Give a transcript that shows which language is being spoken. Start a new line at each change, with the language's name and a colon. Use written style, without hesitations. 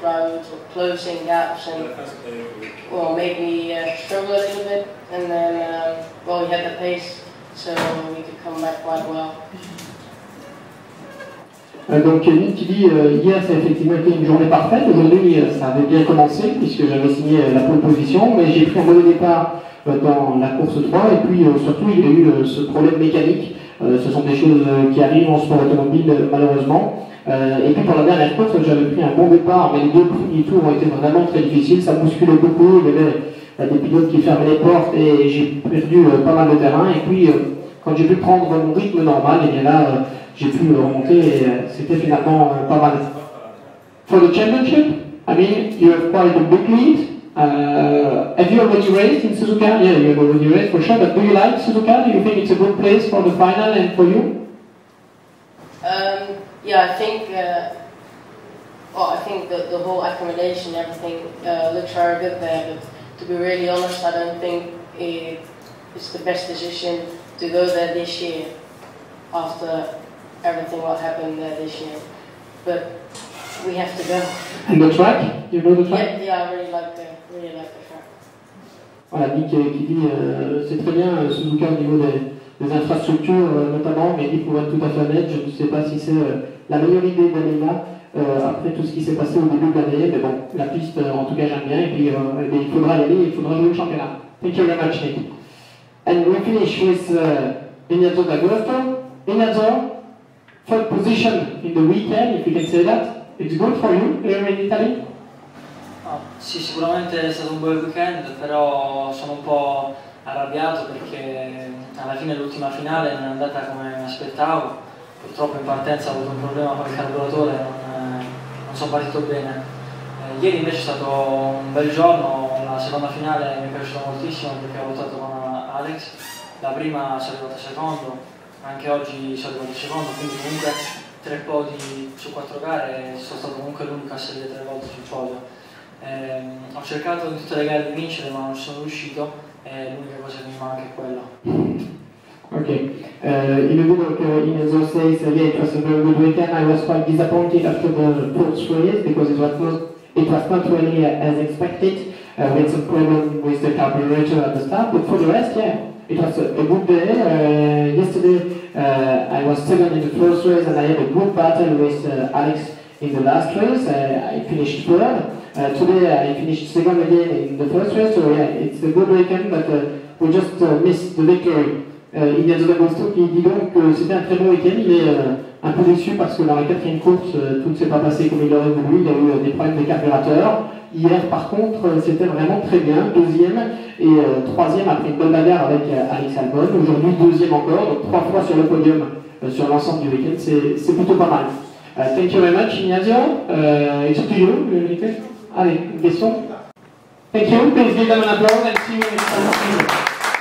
English: Driving to closing gaps and well made me struggle a little bit. And then well we had the pace, so we could come back quite well.
French: Donc Nick qui dit hier ça a effectivement été une journée parfaite. Aujourd'hui ça avait bien commencé puisque j'avais signé la pole position, mais j'ai pris un mauvais départ dans la course 3 et puis surtout il y a eu ce problème mécanique, ce sont des choses qui arrivent en sport automobile malheureusement, et puis pour la dernière course j'avais pris un bon départ mais les deux premiers tours ont été vraiment très difficiles, ça bousculait beaucoup, il y avait des pilotes qui fermaient les portes et j'ai perdu pas mal de terrain et puis quand j'ai pu prendre mon rythme normal et bien là j'ai pu remonter et c'était finalement pas mal.
English: For the championship, I mean you have quite a big lead. Have you already raced in Suzuka? Yeah, you have already raced for sure, but do you like Suzuka? Do you think it's a good place for the final and for you? Yeah, I think I think the whole accommodation, everything looks very good there, but to be really honest, I don't think it's the best decision to go there this year after everything what happened there this year. But we have to go. And the track? You know the track? Yeah, yeah, I really like the track.
French: Voilà, Nick qui dit c'est très bien Suzuka au niveau des infrastructures notamment, mais il faut être tout à fait honnête, je ne sais pas si c'est la meilleure idée d'aller là après tout ce qui s'est passé au début de l'année, mais bon, la piste en tout cas j'aime bien, et puis il faudra aller, il faudra jouer le championnat.
English: Thank you very much, Nick. And we finish with Vinato D'Agosto. Vinato, third position in the weekend, if you can say that, it's good for you here in Italy?
Italian: Sì, sicuramente è stato un buon weekend, però sono un po' arrabbiato perché alla fine l'ultima finale non è andata come mi aspettavo. Purtroppo in partenza ho avuto un problema con il carburatore, non sono partito bene. Ieri invece è stato un bel giorno, la seconda finale mi è piaciuta moltissimo perché ho lottato con Alex. La prima sono arrivato secondo, anche oggi sono arrivato secondo, quindi comunque tre podi su quattro gare e sono stato comunque l'unico a salire tre volte sul podio. Ho cercato in tutte le gare di vincere ma non sono riuscito e l'unica cosa che mi manca è quello.
English: Ok, in a video che Inezo says, yeah, it was a very good weekend, I was quite disappointed after the post race because it was not really as expected. We had some problem with the carburetor at the start, but for the rest, yeah, it was a good day. Yesterday I was second in the first race and I had a good battle with Alex in the last race. I finished third. Today I finished second again in the first race, so yeah, it's a good weekend, but we just missed the victory.
French: Il y a Zola Gosto qui dit donc que c'était un très bon week-end, il est un peu déçu parce que dans la quatrième course, tout ne s'est pas passé comme il aurait voulu, il y a eu des problèmes de carburateur. Hier par contre, c'était vraiment très bien, deuxième et troisième après une bonne bagarre avec Alex Albon. Aujourd'hui deuxième encore, donc trois fois sur le podium sur l'ensemble du week-end, c'est plutôt pas mal.
English: Thank you very much, Ignacio. It's up to you, Allez, question. Thank you, please give them an applause and see you next time.